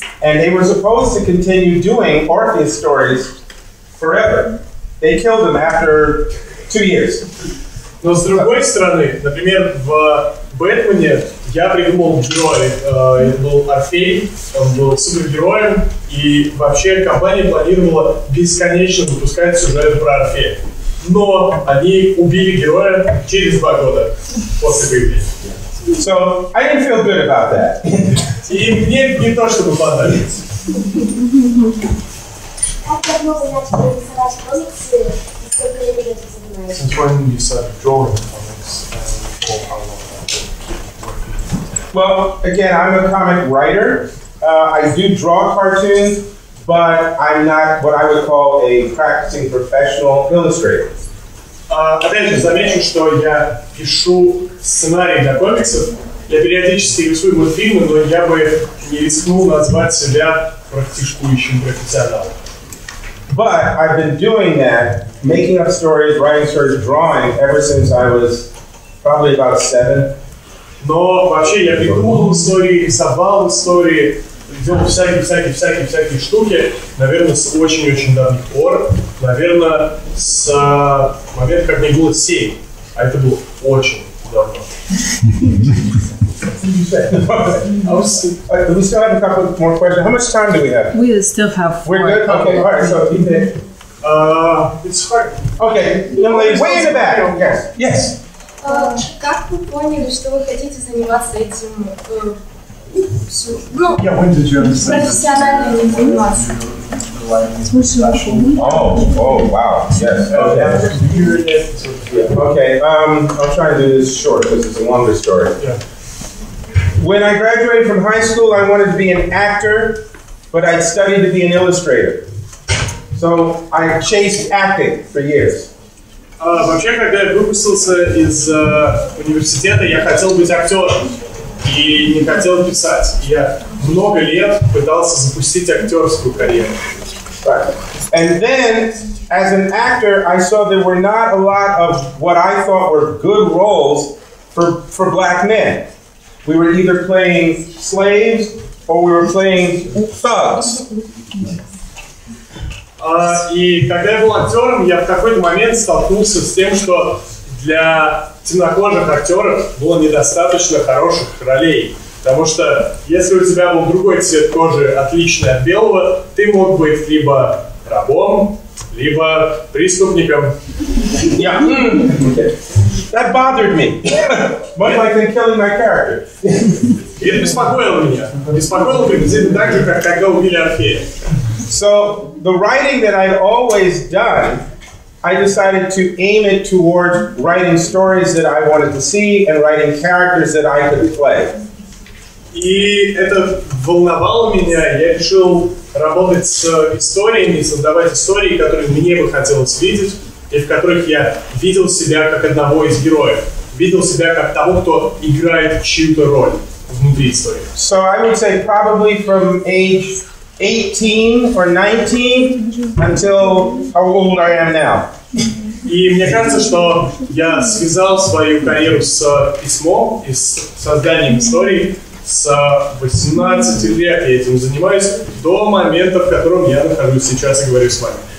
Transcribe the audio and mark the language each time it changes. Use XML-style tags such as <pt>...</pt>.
<en>And they were supposed to continue doing Orpheus stories forever. They killed him after 2 years.</en> <ru>Но с другой стороны, например, в Бэтмене я придумал герой. Он был Орфей, он был супергероем, и вообще компания планировала бесконечно выпускать сюжет про Орфея. Но они убили героя через 2 года после появления.</ru> <en>So, I didn't feel good about that.</en> <ru>И мне не то, чтобы понравилось. Как давно вы начали рисовать комиксы, и сколько лет это занимает?</ru> <en>Since when you started drawing comics, and how long have you been working? Well, again, I'm a comic writer. I do draw cartoons, but I'm not what I would call a practicing professional illustrator.</en> <ru>Опять же, замечу, что я пишу сценарии для комиксов. Я периодически рисую мультфильмы, но я бы не рискнул назвать себя практикующим профессионалом.</ru> <en>But I've been doing that, making up stories, writing stories, drawing, ever since I was probably about 7.</en> <ru>Но вообще я придумывал истории, рисовал истории, делал всякие штуки, наверное, с очень-очень давних пор. Наверное, с момента, как мне было 7. А это было очень давно.</ru> <en>We still have a couple more questions. How much time do we have? We still have 4. We're good? Okay, all right, so keep it. It's hard. Okay, young lady, way in the back. Yes, yes.</en> <ru>Как вы поняли, что вы хотите заниматься этим...</ru> <en>I'll try to do this short because it's a longer story. When I graduated from high school, I wanted to be an actor, but I studied to be an illustrator. So I chased acting for years.</en> <ru>Вообще, когда я выпустился из университета, я хотел быть актером. И не хотел писать. Я много лет пытался запустить актерскую карьеру.</ru> <en>And then, as an actor, I saw there were not a lot of what I thought were good roles for black men. We were either playing slaves or we were playing thugs.</en> <ru>И когда я был актером, я в какой-то момент столкнулся с тем, что для темнокожих актеров было недостаточно хороших ролей. Потому что если у тебя был другой цвет кожи, отличный от белого, ты мог быть либо рабом, либо преступником.</ru> <en>Yeah. Mm. That bothered me. Much like in killing my character.</en> <ru>Это беспокоило меня. Беспокоило приблизительно так же, как когда убили Орфея.</ru> <en>So the writing that I'd always done, I decided to aim it towards writing stories that I wanted to see and writing characters that I could play.</en> <ru>И это волновало меня. Я решил работать с историями, создавать истории, которые мне бы хотелось видеть, и в которых я видел себя как одного из героев, видел себя как того, кто играет чью-то роль внутри истории.</ru> <en>So I would say probably from age 18 or 19 until how old I am now.</en> <ru>И мне кажется, что я связал свою карьеру с письмом и с созданием истории с 18 лет, я этим занимаюсь, до момента, в котором я нахожусь сейчас и говорю с вами.</ru>